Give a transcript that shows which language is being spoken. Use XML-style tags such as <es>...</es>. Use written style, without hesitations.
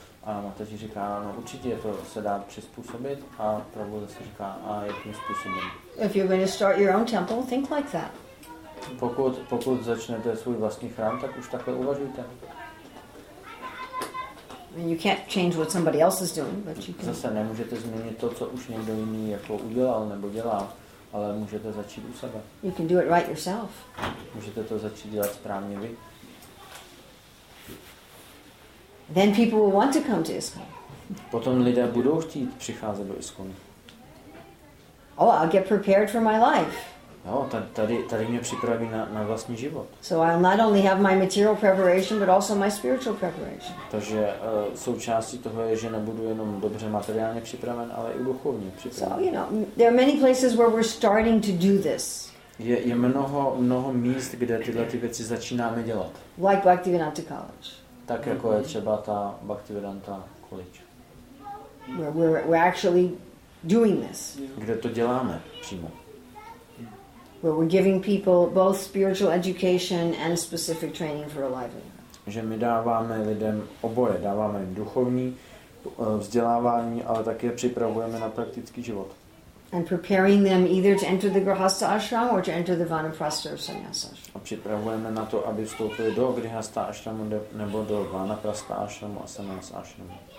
<cs>A mateři říká, no určitě to se dá přizpůsobit a pravdu zase říká, a jakým způsobem.</cs> <en>If you're going to start your own temple, think like that.</en> <cs>Pokud začnete svůj vlastní chrám, tak už takhle uvažujte.</cs> <en>You can't change what somebody else is doing, but you can.</en> <cs>Zase nemůžete změnit to, co už někdo jiný jako udělal nebo dělá, ale můžete začít u sebe.</cs> <en>You can do it right yourself.</en> <cs>Můžete to začít dělat správně vy.</cs> <en>Then people will want to come to ISKCON.</en> <cs>Potom lidé budou chtít přicházet do ISKCON.</cs> <en>Oh, I'll get prepared for my life.</en> <cs>No, tady mě připraví na vlastní život.</cs> <en>So I'll not only have my material preparation, but also my spiritual preparation.</en> <cs>Takže součástí toho je, že nebudu jenom dobře materiálně připraven, ale i duchovně připraven.</cs> <en>So, you know, there are many places where we're starting to do this.</en> <cs>Je mnoho míst, kde tyhle ty věci začínáme dělat.</cs> <en>Like Bhaktivedanta College.</en> <cs>Tak jako je třeba ta Bhaktivedanta College.</cs> <en>Where we're actually doing this.</en> <cs>Kde to děláme přímo.</cs> <en>Where we're giving people both spiritual education and specific training for a livelihood.</en> <cs>Že my dáváme lidem oboje, dáváme jim duchovní vzdělávání, ale také připravujeme na praktický život.</cs> <en>And preparing them either to enter the grihastha ashram or to enter the vanaprastha sannyasa.</en> <cs>A připravujeme na to, aby vstoupili do grihastha ashramu nebo do vanaprastha ashramu a sannyasa ashramu.</cs>